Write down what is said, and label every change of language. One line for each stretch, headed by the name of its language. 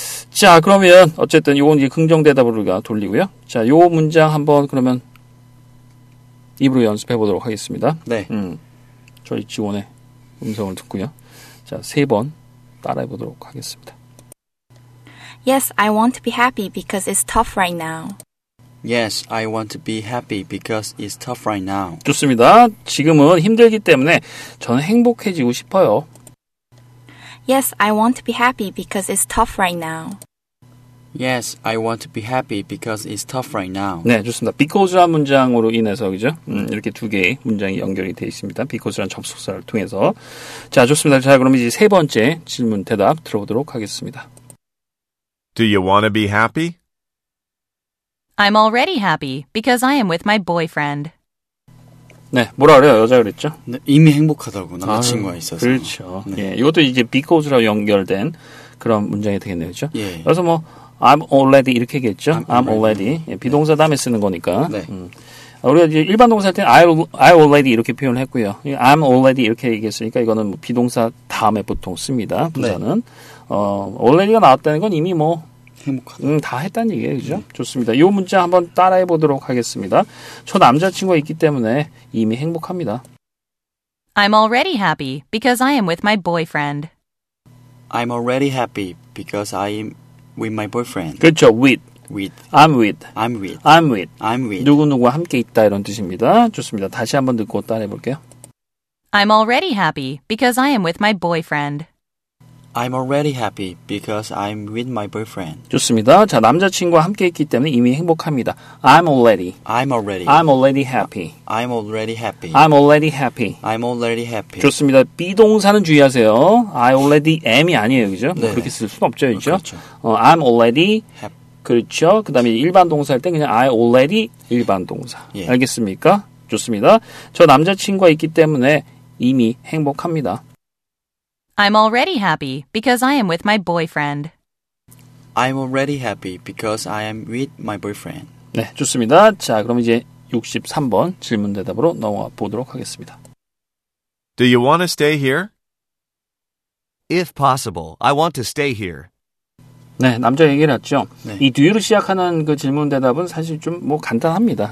Korean: 자 그러면 어쨌든 이건 이제 긍정 대답으로 우리가 돌리고요. 자, 요 문장 한번 그러면 입으로 연습해 보도록 하겠습니다. 네. 저희 지원의 음성을 듣고요. 자, 세 번 따라해 보도록 하겠습니다.
English: Yes, I want to be happy because it's tough right now. Yes, I want to be happy because it's tough right now.
Korean: 좋습니다. 지금은 힘들기 때문에 저는 행복해지고 싶어요.
English: Yes, I want to be happy because it's tough right now. Yes, I want to be happy because it's tough right now.
Korean: 네, 좋습니다. Because란 문장으로 인해서, 그죠? 이렇게 두 개의 문장이 연결이 되어 있습니다. Because란 접속사를 통해서. 자, 좋습니다. 자, 그럼 이제 세 번째 질문 대답 들어보도록 하겠습니다.
English: Do you want to be happy? I'm already happy because I am with my boyfriend.
Korean: 네, 뭐라 그래요? 여자 그랬죠? 네, 이미 행복하다고, 남자친구가 있어서. 그렇죠. 네. 예, 이것도 이제 because로 연결된 그런 문장이 되겠네요, 그죠? 예. 그래서 뭐,
English: I'm already
Korean: 이렇게 얘기했죠? I'm already. 예, 비동사 다음에 쓰는 거니까. 네. 우리가 이제 일반 동사 할 때는
English: I already
Korean: 이렇게 표현을 했고요.
English: I'm already
Korean: 이렇게 얘기했으니까 이거는 뭐 비동사 다음에 보통 씁니다, 부사는. 네. already가 나왔다는 건 이미 뭐, 행복하다. 다 했다는 얘기예요, 그죠? 좋습니다. 요 문자 한번 따라해 보도록 하겠습니다. 저 남자친구가 있기 때문에 이미 행복합니다.
English: I'm already happy because I am with my boyfriend. I'm already happy because I'm with my boyfriend.
Korean: 그렇죠. With.
English: With. I'm with. I'm with. I'm with. I'm with.
Korean: 누구누구와 함께 있다 이런 뜻입니다. 좋습니다. 다시 한번 듣고 따라해 볼게요.
English: I'm already happy because I am with my boyfriend. I'm already happy because I'm with my boyfriend.
Korean: 좋습니다. 자, 남자친구와 함께 있기 때문에 이미 행복합니다.
English: I'm already. I'm already. I'm already happy. I'm already happy. I'm already happy. I'm already happy.
Korean: 좋습니다. 비동사는 주의하세요.
English: I already am
Korean: 이 아니에요, 그죠? 네. 그렇게 쓸 수는 없죠, 그죠? 그렇죠.
English: I'm already
Korean: 그렇죠. 그 다음에 일반 동사 할 때 그냥
English: I already
Korean: 일반 동사. 예. 알겠습니까? 좋습니다. 저 남자친구가 있기 때문에 이미 행복합니다.
English: I'm already happy because I am with my boyfriend. I'm already happy because I am with my boyfriend.
Korean: 네, 좋습니다. 자, 그럼 이제 63번 질문 대답으로 넘어가 보도록 하겠습니다.
English: Do you want to stay here? If possible, I want to stay here.
Korean: 네, 남자 얘기를 했죠. 네. 이 do you를 시작하는 그 질문 대답은 사실 좀 뭐 간단합니다.